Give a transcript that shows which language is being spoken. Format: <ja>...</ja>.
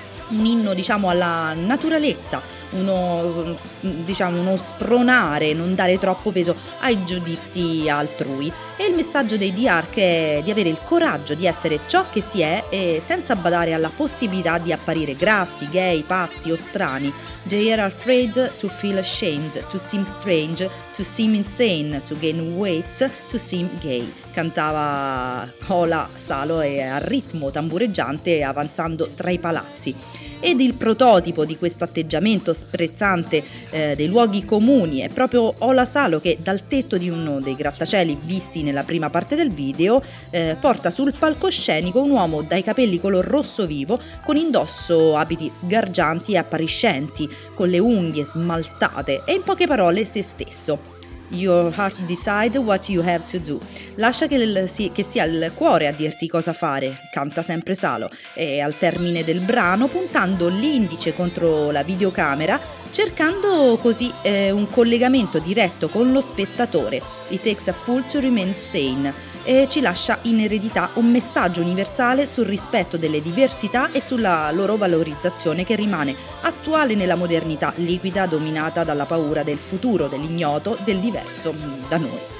<it>un inno, diciamo, alla naturalezza, uno, diciamo, uno spronare, non dare troppo peso ai giudizi altrui. E il messaggio dei D'Arc è di avere il coraggio di essere ciò che si è, e senza badare alla possibilità di apparire grassi, gay, pazzi o strani.</it> <en>They are afraid to feel ashamed, to seem strange, to seem insane, to gain weight, to seem gay.</en> <it>Cantava Ola Salo e al ritmo tambureggiante avanzando tra i palazzi. Ed il prototipo di questo atteggiamento sprezzante dei luoghi comuni è proprio Ola Salo, che dal tetto di uno dei grattacieli visti nella prima parte del video porta sul palcoscenico un uomo dai capelli color rosso vivo, con indosso abiti sgargianti e appariscenti, con le unghie smaltate e in poche parole se stesso.</it> <en>Your heart decides what you have to do.</en> <it>Lascia che sia il cuore a dirti cosa fare, canta sempre Salo. E al termine del brano, puntando l'indice contro la videocamera, cercando così un collegamento diretto con lo spettatore.</it> <en>It takes a fool to remain sane.</en> <it>E ci lascia in eredità un messaggio universale sul rispetto delle diversità e sulla loro valorizzazione, che rimane attuale nella modernità liquida dominata dalla paura del futuro, dell'ignoto, del diverso da noi.</it>